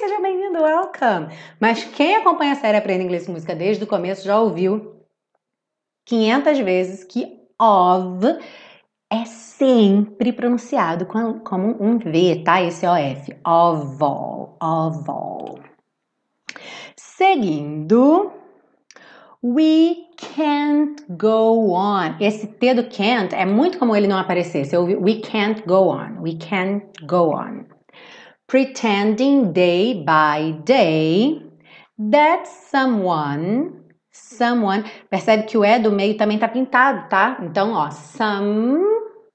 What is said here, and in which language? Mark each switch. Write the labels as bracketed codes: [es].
[pt] Seja bem-vindo, welcome. Mas quem acompanha a série Aprenda Inglês com Música desde o começo já ouviu 500 vezes que of é sempre pronunciado como um V, tá? Esse OF. Of all. Seguindo. [en] We can't go on. [pt] Esse T do can't é muito comum ele não aparecer. Você ouve, [en] We can't go on. Pretending day by day that someone... [pt] Percebe que o E do meio também tá pintado, tá? Então, ó, someone.